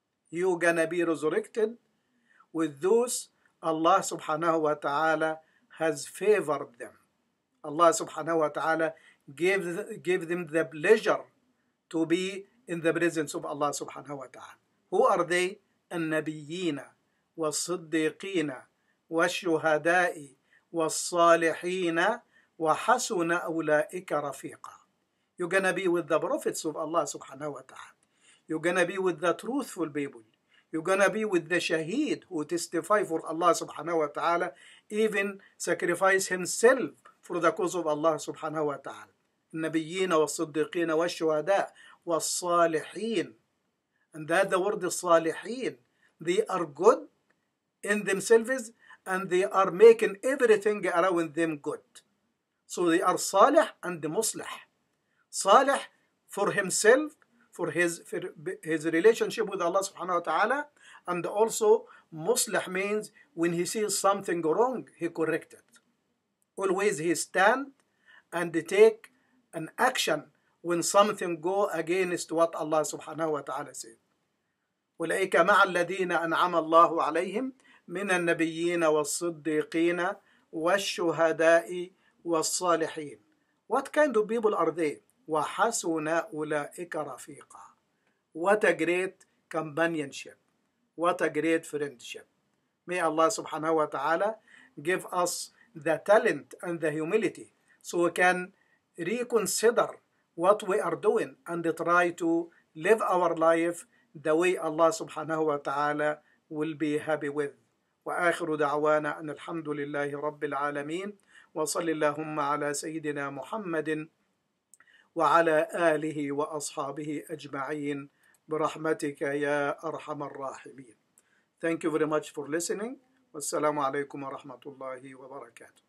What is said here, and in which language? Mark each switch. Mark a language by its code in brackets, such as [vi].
[en] You're gonna be resurrected with those Allah subhanahu wa ta'ala has favored them. Allah subhanahu wa ta'ala gave them the pleasure to be in the presence of Allah subhanahu wa ta'ala. Who are they? [ar] النبيين والصديقين والشهداء والصالحين وحسن أولئك رفيقا. [en] You're gonna be with the prophets of Allah subhanahu wa ta'ala. You're gonna be with the truthful people. You're gonna be with the shaheed who testify for Allah subhanahu wa ta'ala, even sacrifice himself for the cause of Allah subhanahu wa ta'ala. [ar] النبيين والصديقين والشهداء والصالحين. [en] And that the word is صالحين. They are good in themselves and they are making everything around them good. So they are صالح and مصلح. صالح for himself, for his relationship with Allah subhanahu wa ta'ala, and also مصلح means when he sees something wrong, he corrects it. Always he stand and take an action when something go against what Allah subhanahu wa ta'ala says. [ar] أولئك مع الذين أنعم الله عليهم من النبيين والصديقين والشهداء والصالحين. [en] What kind of people are they? [ar] وحسن أولئك رفيقا. [en] What a great companionship. What a great friendship. May Allah subhanahu wa ta'ala give us the talent and the humility so we can reconsider what we are doing and try to live our life the way Allah subhanahu wa ta'ala will be happy with. [ar] وآخر دعوانا أن الحمد لله رب العالمين وصل اللهم على سيدنا محمد وعلى آله وأصحابه أجمعين برحمتك يا أرحم الراحمين. [en] Thank you very much for listening. [ar] والسلام عليكم ورحمة الله وبركاته.